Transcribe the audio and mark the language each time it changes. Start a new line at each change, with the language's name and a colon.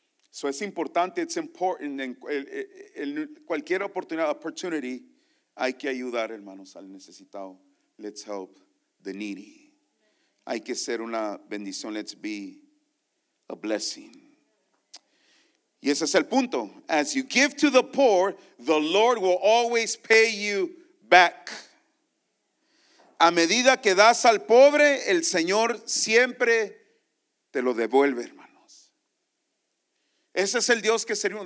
Spanish: So es importante,
English: it's important,
Spanish: en cualquier oportunidad, opportunity, hay que ayudar, hermanos, al necesitado.
English: Let's help the needy.
Spanish: Hay que ser una bendición,
English: let's be a blessing.
Spanish: Y ese es el punto.
English: As you give to the poor, the Lord will always pay you back.
Spanish: A medida que das al pobre, el Señor siempre te lo devuelve, hermanos. Ese es el Dios que servimos.